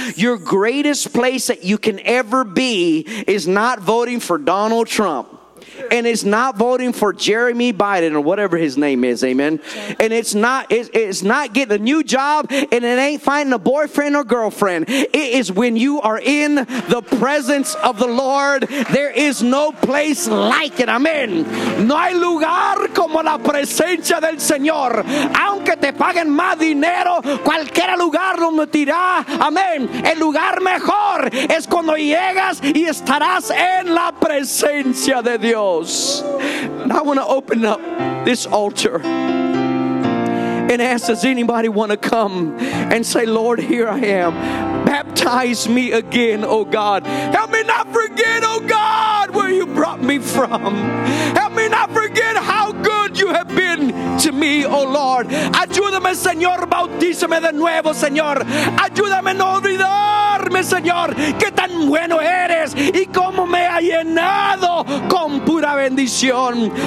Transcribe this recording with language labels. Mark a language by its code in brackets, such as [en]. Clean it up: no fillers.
[en] Your greatest place that you can ever be is not voting for Donald Trump. And it's not voting for Jeremy Biden or whatever his name is, amen. And it's not getting a new job, and it ain't finding a boyfriend or girlfriend. It is when you are in the presence of the Lord. There is no place like it, amen. [es] No hay lugar como la presencia del Señor. Aunque te paguen más dinero, cualquier lugar lo metirá, amen. El lugar mejor es cuando llegas y estarás en la presencia de Dios. [en] And I want to open up this altar and ask, does anybody want to come and say, Lord, here I am. Baptize me again, oh God. Help me not forget, oh God, where you brought me from. Help me not forget how good you have been to me, oh Lord. [es] Ayúdame, Señor, bautízame de nuevo, Señor. Ayúdame no olvidarme, Señor, que tan bueno eres y cómo me ha llenado con pura bendición.